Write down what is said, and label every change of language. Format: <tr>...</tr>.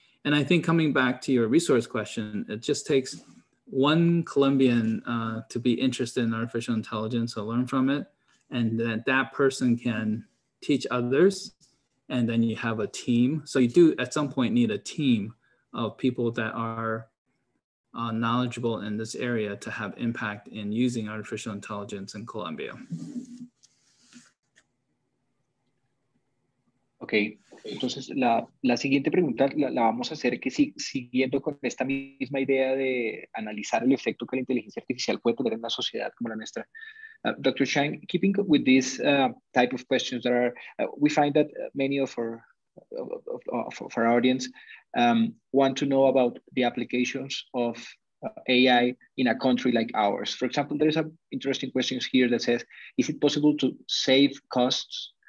<en>And I think coming back to your resource question, it just takes one Colombian to be interested in artificial intelligence or learn from it, and that person can teach others, and then you have a team. So you do at some point need a team of people that are knowledgeable in this area to have impact in using artificial intelligence in Colombia.</en> <es>Okay, entonces la siguiente pregunta la vamos a hacer que siguiendo con esta misma idea de analizar el efecto que la inteligencia artificial puede tener en la sociedad como la nuestra.</es> <en>Dr. Chang, keeping with this type of questions that are, we find that many of our audience want to know about the applications of AI in a country like ours. For example, there is an interesting question here that says, is it possible to save costs?</en>